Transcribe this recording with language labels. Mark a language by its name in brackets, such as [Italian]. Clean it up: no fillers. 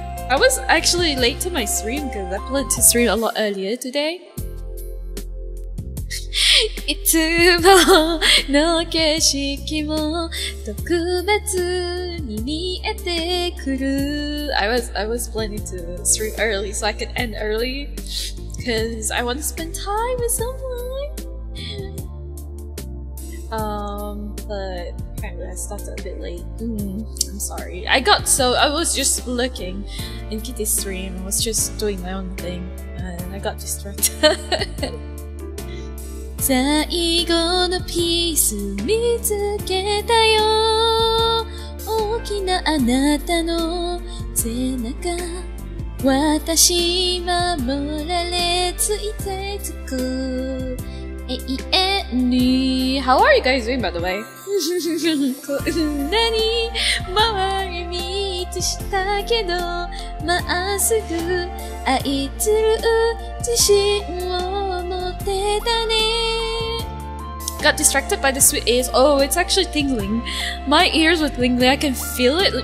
[English] I was actually late to my stream because I planned to stream a lot earlier today. [Japanese] いつもの景色も特別に見えてくる [English] I was planning to stream early so I could end early because I want to spend time with someone but apparently I started a bit late、I'm sorry I was just looking in Kitty's stream I was just doing my own thing and I got distracted [Japanese] 最後のピース見つけたよ大きなあなたの背中私守られついてつく永遠に [English] How are you guys doing by the way? [Japanese] こんなに回り道したけどまっすぐ愛する自信を持ってたね [English] Got distracted by the sweet ears. Oh, it's actually tingling. My ears were tingling. I can feel it.